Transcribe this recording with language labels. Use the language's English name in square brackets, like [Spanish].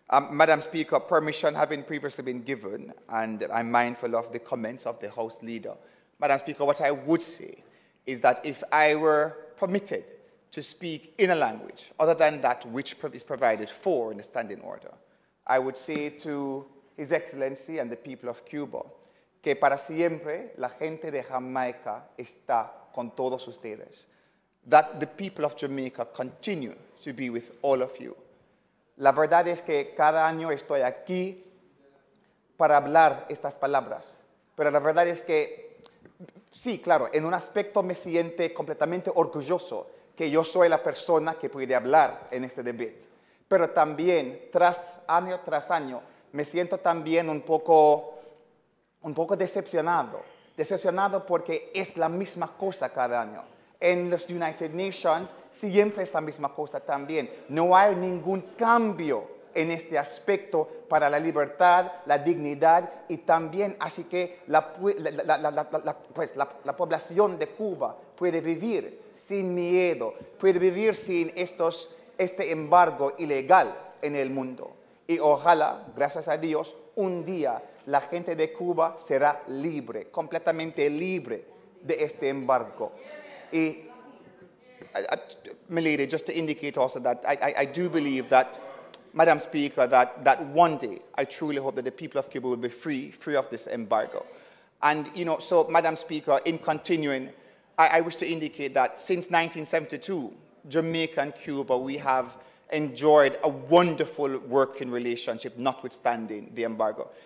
[English] Madam Speaker, permission having previously been given, and I'm mindful of the comments of the House Leader, Madam Speaker, what I would say is that if I were permitted to speak in a language other than that which is provided for in the standing order, I would say to His Excellency and the people of Cuba, [Spanish] que para siempre la gente de Jamaica está con todos ustedes, [English] that the people of Jamaica continue to be with all of you. [Spanish] La verdad es que cada año estoy aquí para hablar estas palabras, pero la verdad es que, sí, claro, en un aspecto me siento completamente orgulloso que yo soy la persona que puede hablar en este debate. Pero también, año tras año, me siento también un poco decepcionado. Decepcionado porque es la misma cosa cada año. En los United Nations siempre es la misma cosa también. No hay ningún cambio en este aspecto para la libertad, la dignidad y también así que la población de Cuba puede vivir sin miedo, puede vivir sin este embargo ilegal en el mundo. Y ojalá, gracias a Dios, un día la gente de Cuba será libre, completamente libre de este embargo. [English] Y, milady, just to indicate also that I do believe that, Madam Speaker, that one day I truly hope that the people of Cuba will be free of this embargo. And, you know, so, Madam Speaker, in continuing, I wish to indicate that since 1972, Jamaica and Cuba, we have enjoyed a wonderful working relationship, notwithstanding the embargo.